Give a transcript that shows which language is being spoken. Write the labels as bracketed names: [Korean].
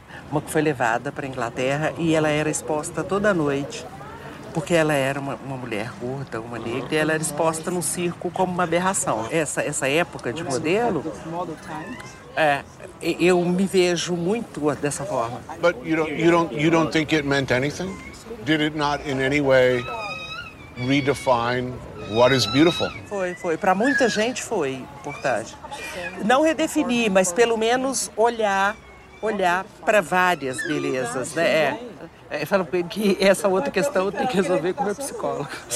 [Portuguese] uma que foi levada para a Inglaterra e ela era exposta toda noite, porque ela era uma mulher gorda, uma negra, e ela era exposta no circo como uma aberração. Essa época de modelo, eu me vejo muito dessa forma. [English] But you don't think it meant anything? Did it not in any way redefine what is beautiful? [Portuguese] Foi. Para muita gente foi importante. Não redefinir, mas pelo menos olhar para várias belezas, né? Eu falo que essa outra questão eu tenho que resolver com o meu psicólogo.